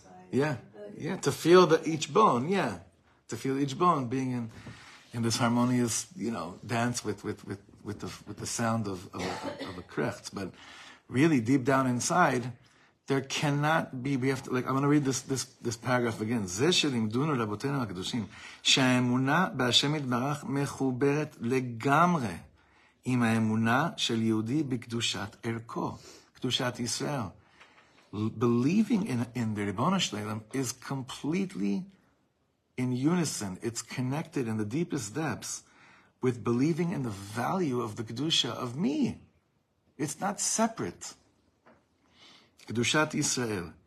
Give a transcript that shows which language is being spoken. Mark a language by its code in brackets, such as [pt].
[en] yeah, yeah, to feel each bone, being in this harmonious, you know, dance with the sound of a krecht, but really deep down inside, There cannot be, we have to, like, I'm going to read this paragraph again. [he] זה שלימדונו רבותינו הקדושים, שהאמונה בהשם יתברך מחוברת לגמרי עם האמונה של יהודי בקדושת ערכו, קדושת ישראל. [en] Believing in the Ribono Shleilam is completely in unison. It's connected in the deepest depths with believing in the value of the Kedusha of me. It's not separate. Kedushat Yisrael.